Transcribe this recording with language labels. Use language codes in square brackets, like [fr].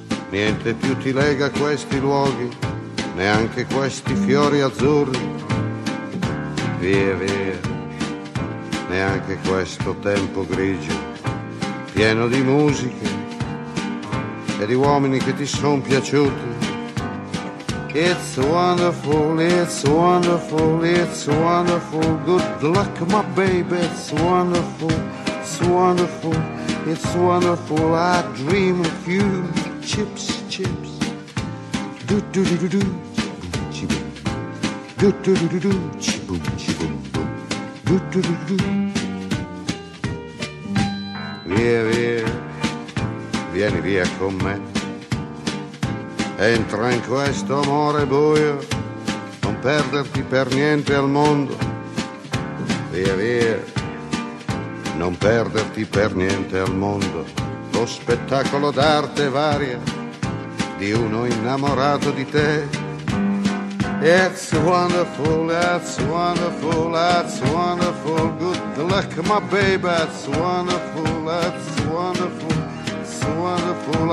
[it] Niente più ti lega a questi luoghi, neanche questi fiori azzurri. Via, via, neanche questo tempo grigio, pieno di musiche e di uomini che ti son piaciuti. [en] It's wonderful, it's wonderful, it's wonderful. Good luck, my baby, it's wonderful, it's wonderful, it's wonderful. I dream of you, chips, chips. Do-do-do-do-do, chibum, do-do-do-do-do, chibum, chibum, boom. Do-do-do-do-do. [it] Via, via, vieni via con me. Entra in questo amore buio, non perderti per niente al mondo. Via, via, non perderti per niente al mondo. Lo spettacolo d'arte varia di uno innamorato di te. [en] It's wonderful, that's wonderful, that's wonderful. Good luck, my baby, it's wonderful, that's wonderful, it's wonderful.